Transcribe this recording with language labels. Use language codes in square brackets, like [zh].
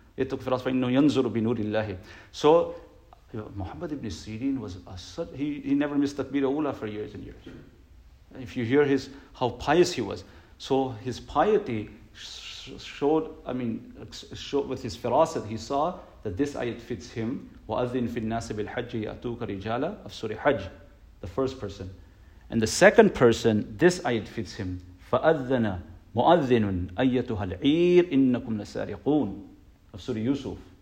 [ar] Ittaqu firasat fa'innu yanzuru binurillahi. [en] So Muhammad ibn Sirin was he never missed takbir ula for years and years. If you hear how pious he was. So his piety showed with his firasat, he saw that this ayat fits him. [ar] وَأَذِّنْ فِي النَّاسِ بِالْحَجِّ يَأْتُوكَ رِجَالًا [en] of Surah Hajj. The first person. And the second person, this ayat fits him. [ar] فَأَذَّنَ مُؤَذِّنٌ أَيَّتُهَا الْعِيرِ إِنَّكُمْ لَسَارِقُونَ [en] of Surah Yusuf.